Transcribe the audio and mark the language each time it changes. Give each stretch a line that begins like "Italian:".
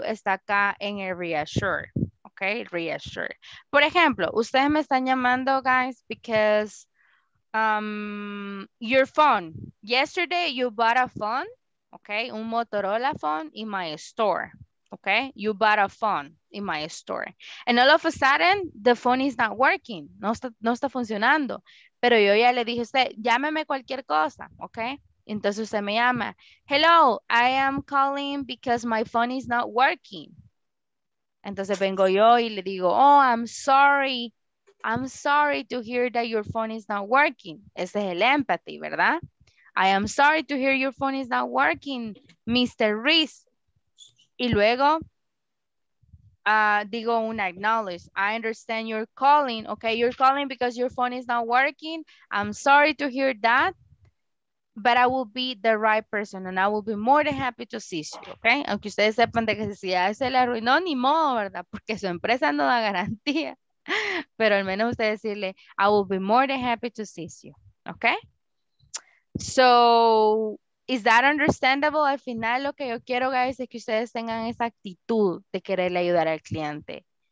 Spanish: Está acá en el reassure. Okay, reassure. Por ejemplo, ustedes me están llamando, guys, because
English: your phone. Yesterday you bought a phone, okay? Un Motorola phone in my store, okay? You bought a phone in my store. And all of a sudden, the phone is not working.
Spanish: No está funcionando. Pero yo ya le dije a usted, llámeme cualquier cosa, okay? Entonces usted me llama.
English: Hello, I am calling because my phone is not working.
Spanish: Entonces vengo yo y le digo,
English: oh, I'm sorry to hear that your phone is not working.
Spanish: Ese es el empathy, ¿verdad?
English: I am sorry to hear your phone is not working, Mr. Reese.
Spanish: Y luego digo un acknowledge.
English: I understand you're calling. Okay, you're calling because your phone is not working. I'm sorry to hear that. But I will be the right person and I will be more than happy to assist you, okay?
Spanish: Aunque ustedes sepan de que si ya se le arruinó, ni modo, ¿verdad? Porque su empresa no da garantía. Pero al menos usted decirle,
English: I will be more than happy to assist you, okay? So, is that understandable?
Spanish: Al final lo que yo quiero, guys, es que ustedes tengan esa actitud de quererle ayudar al cliente.